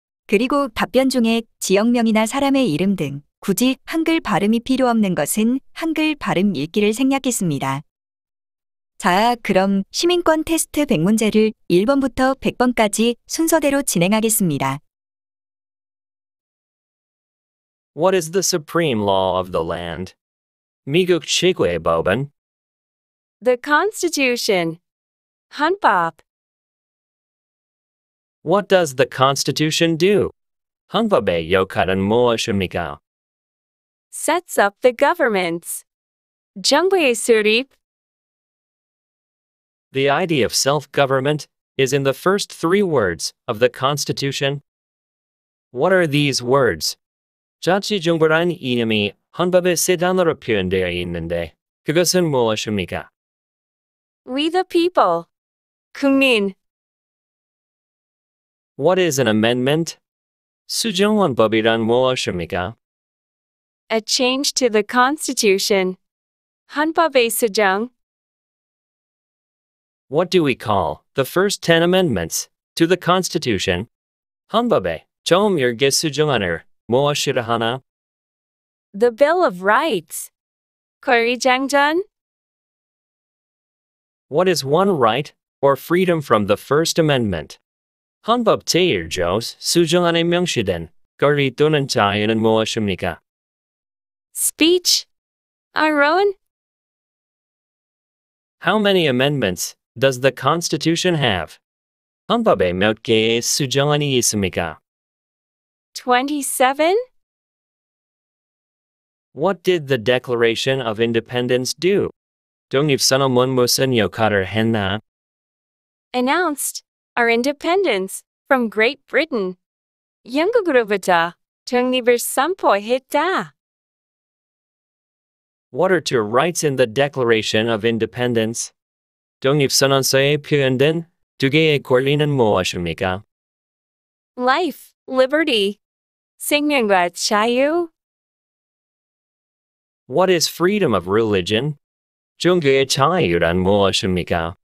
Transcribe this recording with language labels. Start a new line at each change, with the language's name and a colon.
Korean: 그리고 답변 중에 지역명이나 사람의 이름 등 굳이 한글 발음이 필요 없는 것은 한글 발음 읽기를 생략했습니다. 자, 그럼 시민권 테스트 100문제를 1번부터 100번까지 순서대로 진행하겠습니다.
English: What is the supreme law of the land?
Korean: 미국 최고의 법은?
English: The Constitution. 헌법. What does the Constitution do?
Korean: 헌법의 역할은 무엇입니까?
English: Sets up the governments.
Korean: 정부의 수립.
English: The idea of self-government is in the first three words of the Constitution. What are these words?
Korean: 자치정부란 이름이 헌법의 세 단어로 표현되어 있는데 그것은 무엇입니까?
English: We the people. 국민. What is an amendment?
Korean: 수정헌법이란 무엇입니까?
English: A change to the Constitution.
Korean: 헌법의 수정.
English: What do we call the first 10 amendments to the Constitution?
Korean: 헌법에 처음 열게 수정안을 무엇이라 하나?
English: The Bill of Rights. 권리장전. What is one right or freedom from the First Amendment?
Korean: 헌법 제1조 수정안에 명시된 권리 또는 자유는 무엇입니까?
English: Speech. Our own. How many amendments does the Constitution have?
Korean: 헌법에 몇 개의 수정안이 있습니까?
English: 27? What did the Declaration of Independence do?
Korean: 독립선언은 무슨 역할을 했나?
English: Announced our independence from Great Britain.
Korean: 영국으로부터 독립을 선포했다.
English: What are two rights in the Declaration of Independence?
Korean: 독립선언서에 표현된 두 개의 권리는 무엇입니까?
English: Life, liberty.
Korean: 생명과 자유.
English: What is freedom of religion?
Korean: 종교의 자유란 무엇입니까?